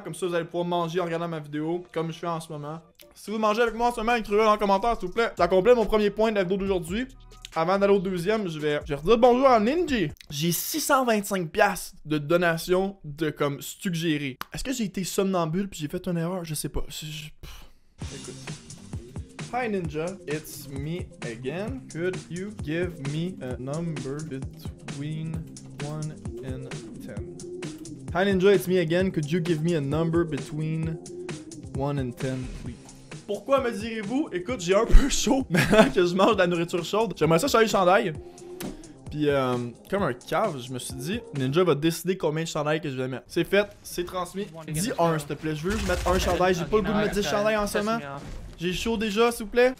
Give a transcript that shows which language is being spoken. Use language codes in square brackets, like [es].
[fr] Comme ça, vous allez pouvoir manger en regardant ma vidéo, comme je fais en ce moment. Si vous mangez avec moi en ce moment, écrivez-le en commentaire, s'il vous plaît. Ça complète mon premier point de la vidéo d'aujourd'hui. Avant d'aller au deuxième, je vais redire bonjour à Ninji. J'ai 625$ de donation de comme suggéré. Est-ce que j'ai été somnambule puis j'ai fait une erreur? Je sais pas. Écoute. [en] Hi Ninja, it's me again. Could you give me a number between 1 and 10? Hi Ninja, it's me again. Could you give me a number between 1 and 10, please? [fr] Pourquoi me direz-vous? Écoute, j'ai un peu chaud maintenant que je mange de la nourriture chaude. J'aimerais ça changer de chandail. Puis, comme un cave, je me suis dit, Ninja va décider combien de chandails que je vais mettre. C'est fait, c'est transmis. Dis un, s'il te plaît. Je veux mettre un chandail. J'ai pas le goût de mettre 10 chandails en ce moment. J'ai chaud déjà, s'il vous plaît.